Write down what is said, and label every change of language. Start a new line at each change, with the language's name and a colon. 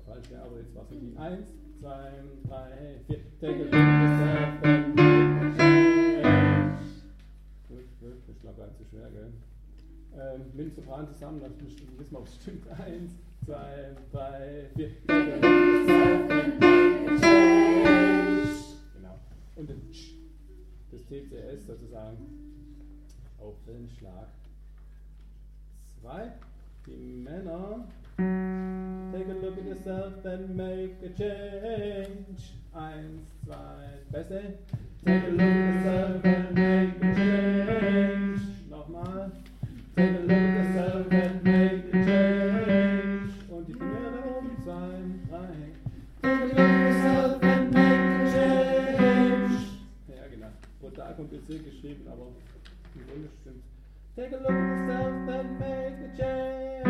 German: Ja, aber jetzt war es irgendwie 1, 2, 3, 4.
English: Take a look at yourself and make a change.
German: Gut, gut, das war gar nicht so schwer, gell? Mit dem Sopran zusammen, dann wissen wir, ob es stimmt. 1, 2, 3, 4.
English: Take a look at yourself and make a change.
German: Genau. Und den Tsch, das TCS sozusagen, auf den Schlag. 2, die Männer.
English: Take a look at yourself and make a change. 1, 2, Bässe. Take a look at yourself and make a change. Nochmal. Take a look at yourself and make a change.
German: Und die Finger da oben.
English: 2, 3. Take a look at yourself and make a change.
German: Ja, genau. Brutal kompliziert geschrieben, aber im Grunde stimmt.
English: Take a look at yourself and make a change.